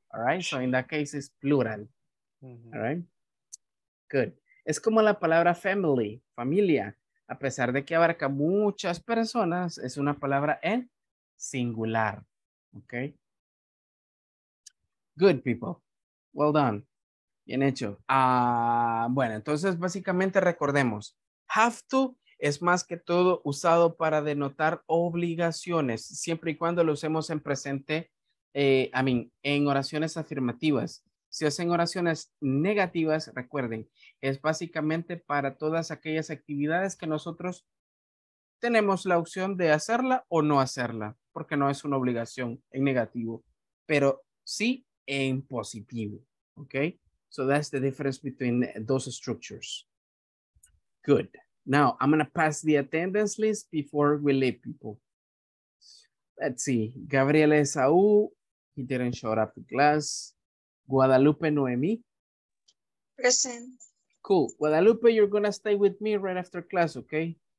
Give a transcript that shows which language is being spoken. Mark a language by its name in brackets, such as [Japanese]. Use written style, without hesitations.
[English] All right, so in that case is plural. [Spanish] Mm-hmm. [English] All right, good. [Spanish] Es como la palabra family, familia. A pesar de que abarca muchas personas, es una palabra en singular. [English] Okay. Good people. Well done. [Spanish] Bien hecho. Bueno, entonces básicamente recordemos, have to es más que todo usado para denotar obligaciones, siempre y cuando lo usemos en presente, en oraciones afirmativas. Si hacen oraciones negativas, recuerden, es básicamente para todas aquellas actividades que nosotros tenemos la opción de hacerla o no hacerla, porque no es una obligación en negativo, pero sí en positivo, ¿ok? [English] So that's the difference between those structures. Good. Now, I'm going to pass the attendance list before we leave, people. Let's see. Gabriel Esaú, he didn't show up in class. Guadalupe Noemi. Present. Cool. Guadalupe, you're going to stay with me right after class, okay?